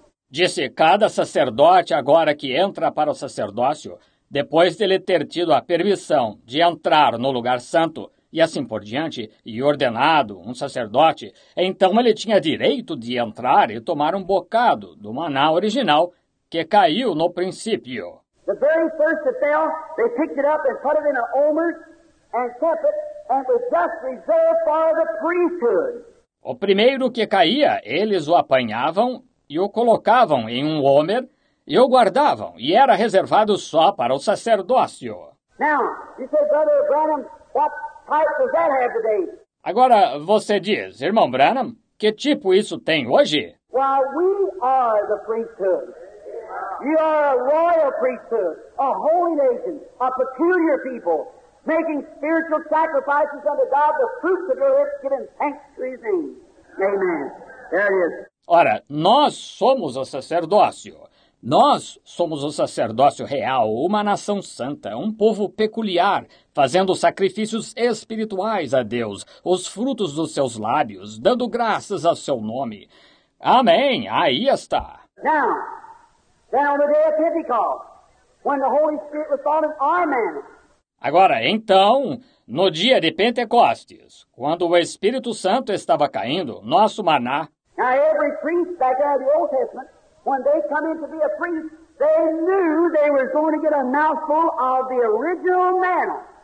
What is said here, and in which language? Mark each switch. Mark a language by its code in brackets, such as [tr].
[pt] Disse cada sacerdote agora que entra para o sacerdócio, depois de ele ter tido a permissão de entrar no lugar santo, e assim por diante, e ordenado um sacerdote, então ele tinha direito de entrar e tomar um bocado do maná original que caiu no princípio. [en] The very first that fell, they picked it up and put it in an omer and kept it, and it was just reserved for the priesthood. [pt] O primeiro que caía, eles o apanhavam e o colocavam em um omer e o guardavam, e era reservado só para o sacerdócio. [en] Now, you said, Brother Branham, what type does that have today? [pt] Agora, você diz, Irmão Branham, que tipo isso tem hoje? [en] Well, we are the priesthood. You are a royal priesthood, a holy nation, a peculiar people, making spiritual sacrifices unto God, the fruits of your lips, giving thanks to His name. Amen. There it is. [pt] Ora, nós somos o sacerdócio. Nós somos o sacerdócio real, uma nação santa, um povo peculiar, fazendo sacrifícios espirituais a Deus, os frutos dos seus lábios, dando graças ao seu nome. Amém! Aí está! [en] Now, then on the day of Pentecost, when the Holy Spirit was fallen on our man. [pt] Agora, então, no dia de Pentecostes, quando o Espírito Santo estava caindo, nosso maná. [en] Now, every priest back there in the Old Testament. When they come in to be a priest, they knew they were going to get a mouthful of the original manna.